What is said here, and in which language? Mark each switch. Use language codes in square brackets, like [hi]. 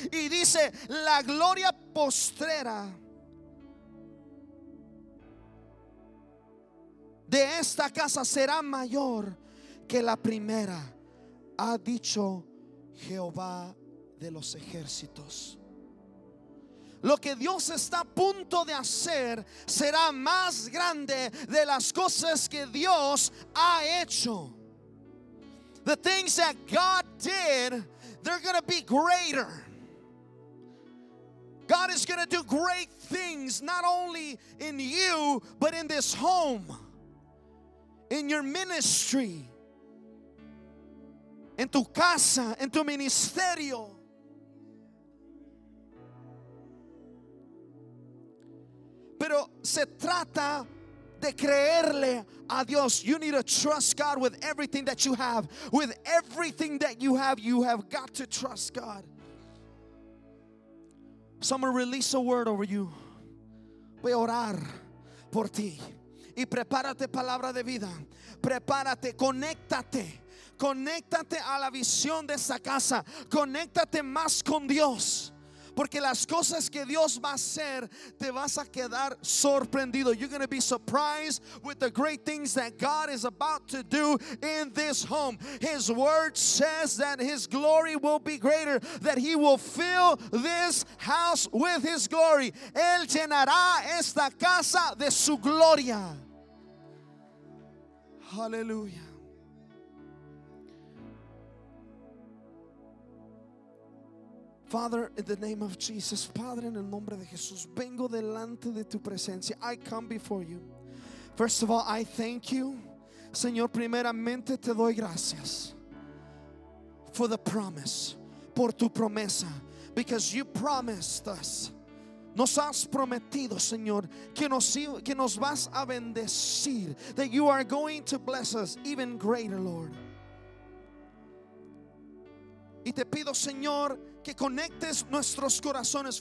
[es] Y dice, la gloria postrera de esta casa será mayor que la primera, ha dicho Jehová de los ejércitos. Lo que Dios está a punto de hacer será más grande de las cosas que Dios ha hecho. [en] The things that God did, they're going to be greater. God is going to do great things, not only in you, but in this home, in your ministry, [es] en tu casa, en tu ministerio. Pero se trata de creerle a Dios. [en] You need to trust God with everything that you have. With everything that you have got to trust God. So I'm going to release a word over you. [es] Voy a orar por ti. Y prepárate, palabra de vida. Prepárate, conéctate. Conéctate a la visión de esa casa. Conéctate más con Dios. Porque las cosas que Dios va a hacer, te vas a quedar sorprendido. [en] You're going to be surprised with the great things that God is about to do in this home. His word says that his glory will be greater, that he will fill this house with his glory. [es] Él llenará esta casa de su gloria. [en] Hallelujah. Father, in the name of Jesus, [es] Padre, en el nombre de Jesús, vengo delante de tu presencia. [en] I come before you. First of all, I thank you. [es] Señor, primeramente te doy gracias. [en] For the promise. [es] Por tu promesa. [en] Because you promised us. [es] Nos has prometido, Señor, que nos vas a bendecir. [en] That you are going to bless us even greater, Lord. [es] Y te pido, Señor, que conectes nuestros corazones.